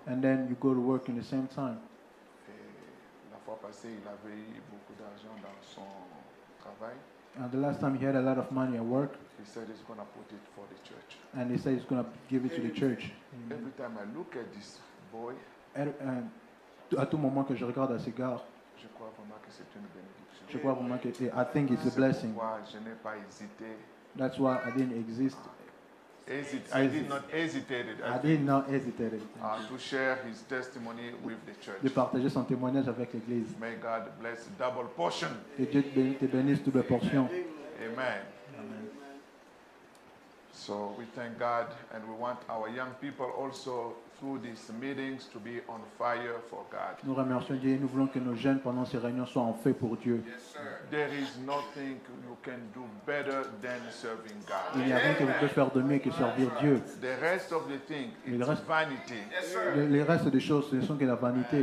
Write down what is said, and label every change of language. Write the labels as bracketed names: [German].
[English] And then you go to work in the same time. [French] Et la fois passée, il avait eu beaucoup d'argent dans son travail. [English] And the last time he had a lot of money at work, he said he's going to put it for the church. And he said he's going to give it to the church. Every time I look at this boy, [French] à tout moment que je regarde à ce gars, je crois vraiment que c'est une bénédiction. Je crois vraiment que [English] I think it's a blessing. [French] Je n'ai pas hésité. [English] That's why I didn't exist. I did not hesitate. To share his testimony with the church. [French] De partager son témoignage avec l'église. [English] May God bless double portion. [French] Que Dieu te bénisse double portion. [English] Amen. Amen. So we thank God and we want our young people also through these meetings to be on fire for God. [French] Nous remercions Dieu et nous voulons que nos jeunes pendant ces réunions soient en feu pour Dieu. [English] There is nothing you can do better than serving God. [French] Il n'y a rien que vous pouvez faire de mieux que servir Dieu. [English] The rest of the thing is vanity. [French] Les restes des choses ne sont que la vanité.